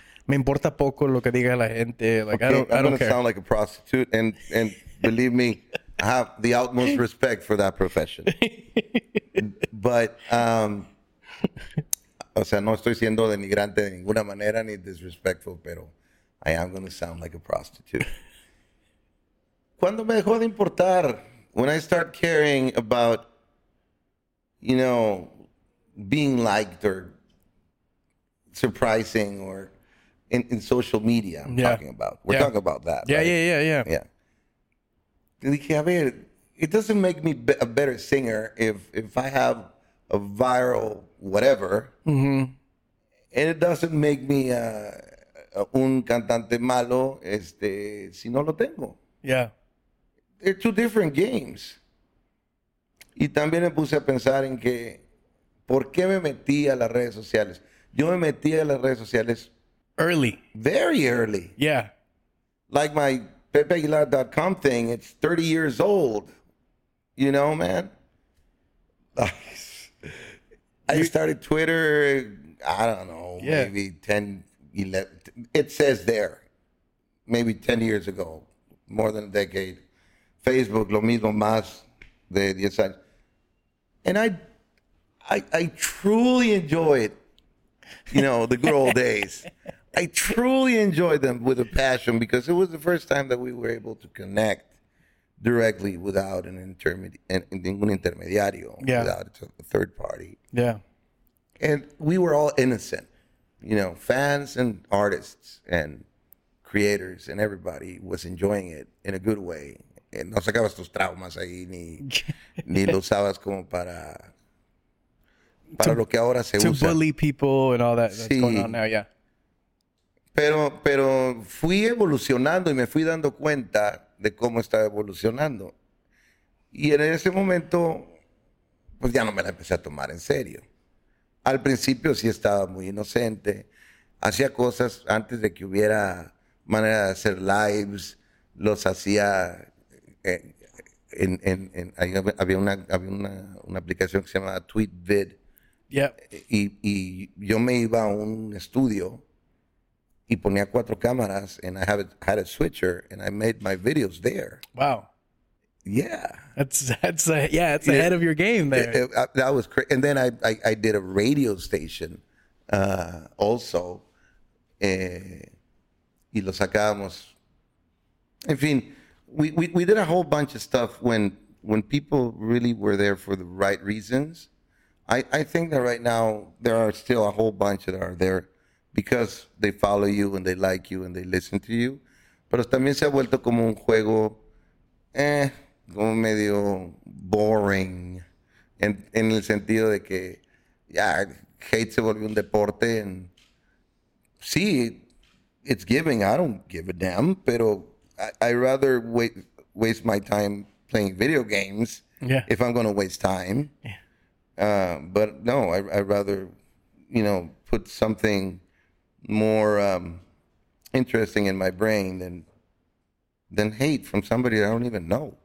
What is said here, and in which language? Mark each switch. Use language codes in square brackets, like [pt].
[es] Me importa poco lo que diga la gente. [en] Like okay, I don't care. Sound like a prostitute, and believe me, I have the utmost respect for that profession. [es] But o sea, no estoy siendo denigrante de ninguna manera ni disrespectful, pero [en] I am going to sound like a prostitute. [es] Cuando me dejó de importar, [en] when I start caring about, you know, being liked or surprising or in social media, we're talking about that. Yeah, right? Yeah. [es] Dije, a ver, [en] it doesn't make me a better singer if I have a viral whatever, mm-hmm, and it doesn't make me [es] un cantante malo si no lo tengo. [en] Yeah. They're two different games. [es] Y también me puse a pensar en que, ¿por qué me metí a las redes sociales? Yo me metí a las redes sociales [en] early. Very early. Yeah. Like my pepeaguilar.com thing, it's 30 years old. You know, man? I started Twitter, I don't know, yeah, maybe 10, 11, it says there, maybe 10 years ago, more than a decade. [es] Facebook, lo mismo más de 10 años. [en] And I truly enjoyed, you know, the good old days. I truly enjoyed them with a passion because it was the first time that we were able to connect directly without an intermediario, yeah, without a third party. Yeah. And we were all innocent, you know, fans and artists and creators, and everybody was enjoying it in a good way. [es] And no sacabas tus traumas ahí, ni lo usabas como para lo que ahora se usa. [en] To bully people and all that, sí, that's going on now, yeah. [es] Pero fui evolucionando y me fui dando cuenta de cómo estaba evolucionando. Y en ese momento, pues ya no me la empecé a tomar en serio. Al principio sí estaba muy inocente. Hacía cosas antes de que hubiera manera de hacer lives. Los hacía en ahí había una aplicación que se llamaba TweetVid. [en] Yeah. [es] Y yo me iba a un estudio y ponía cuatro cámaras, [en] and I have it, had a switcher, and I made my videos there. Wow. Yeah. That's ahead of your game there. That was crazy. And then I did a radio station also. [es] Y lo sacábamos. En fin, [en] we did a whole bunch of stuff when people really were there for the right reasons. I think that right now there are still a whole bunch that are there because they follow you and they like you and they listen to you. [es] Pero también se ha vuelto como un juego, como medio boring. En el sentido de que, hate se volvió un deporte. [en] And sí, it's giving. I don't give a damn. Pero I rather waste my time playing video games if I'm going to waste time. Yeah. But no, I'd rather, put something more interesting in my brain than hate from somebody I don't even know.